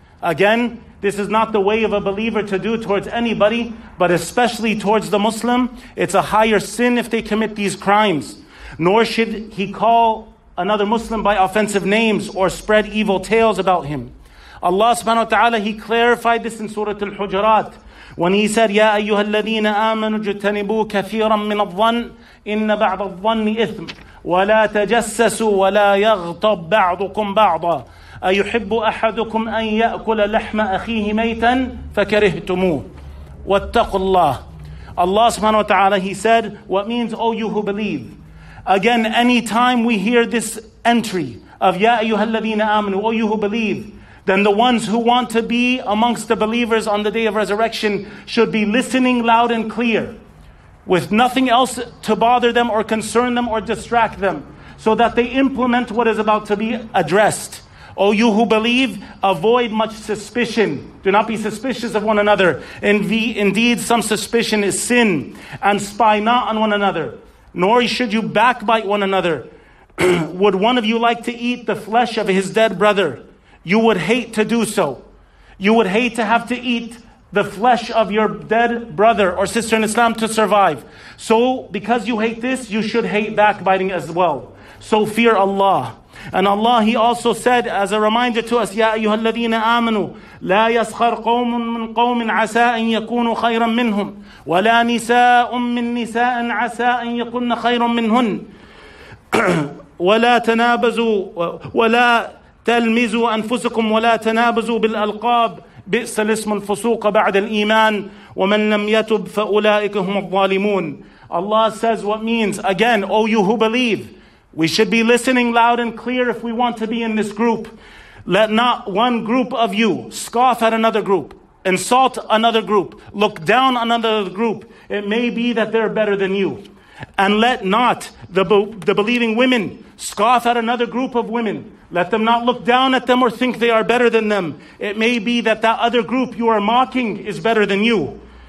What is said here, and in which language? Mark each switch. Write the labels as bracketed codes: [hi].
[en] Again, this is not the way of a believer to do towards anybody, but especially towards the Muslim. It's a higher sin if they commit these crimes. Nor should he call another Muslim by offensive names or spread evil tales about him. Allah subhanahu wa ta'ala, He clarified this in Surah Al-Hujurat. [ar] When He said, يَا أَيُّهَا الَّذِينَ آمَنُوا جُتَّنِبُوا كَثِيرًا مِّنَ الظَّنِّ إِنَّ بَعْضَ الظَّنِّ إِثْمٍ وَلَا تَجَسَّسُوا وَلَا يَغْطَبْ بَعْضُكُمْ بَعْضًا أَيُحِبُّ أَحَدُكُمْ أَنْ يَأْكُلَ لَحْمَ أَخِيهِ مَيْتًا فَكَرِهْتُمُوهُ وَاتَّقُوا اللَّهَ [en] Allah subhanahu wa ta'ala, He said, what means, O you who believe? Again, any time we hear this entry of [ar] يَا أَيُّهَا الَّذِينَ آمَنُوا [en] O you who believe, then the ones who want to be amongst the believers on the day of resurrection should be listening loud and clear. With nothing else to bother them or concern them or distract them, so that they implement what is about to be addressed. O you who believe, avoid much suspicion. Do not be suspicious of one another. Indeed, some suspicion is sin. And spy not on one another, nor should you backbite one another. Would one of you like to eat the flesh of his dead brother? You would hate to do so. You would hate to have to eat the flesh of your dead brother or sister in Islam to survive. So because you hate this, you should hate backbiting as well. So fear Allah. And Allah, He also said as a reminder to us, [ar] يَا أَيُّهَا الَّذِينَ آمَنُوا لَا يَسْخَرْ قَوْمٌ مِّن قَوْمٍ عَسَىٰ أَن يَكُونُوا خَيْرًا مِّنْهُمْ وَلَا نِسَاءٌ مِّن نِسَاءٍ عَسَىٰ أَن يَكُنَّ خَيْرًا مِّنْهُنْ وَلَا تَنَابَزُوا وَلَا تَلْمِزُوا أَنفُسَكُمْ وَلَا تَنَابَزُوا بِالْأَلْقَابِ بِئْسَ الْإِسْمُ الْفُسُوقَ بَعْدَ الْإِيمَانِ وَمَنْ لَمْ يَتُبْ فَأُولَٰئِكَ هُمُ الظَّالِمُونَ [en] Allah says what means, again, O you who believe, we should be listening loud and clear if we want to be in this group. Let not one group of you scoff at another group, insult another group, look down on another group. It may be that they're better than you. And let not the believing women scoff at another group of women. Let them not look down at them or think they are better than them. It may be that that other group you are mocking is better than you.